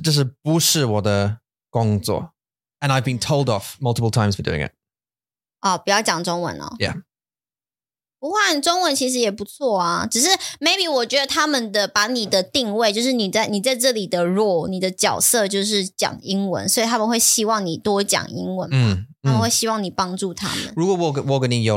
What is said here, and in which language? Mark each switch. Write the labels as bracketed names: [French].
[Chinese] 我希望。你也需要翻译。但是这是不是我的工作。 [English] And I've been told off multiple times for doing it. [Chinese] 哦,不要讲中文哦。Yeah. 不过,中文其实也不错啊。只是maybe我觉得他们的把你的定位, 就是你在这里的role,你的角色就是讲英文, 所以他们会希望你多讲英文嘛。他们会希望你帮助他们。如果我跟你有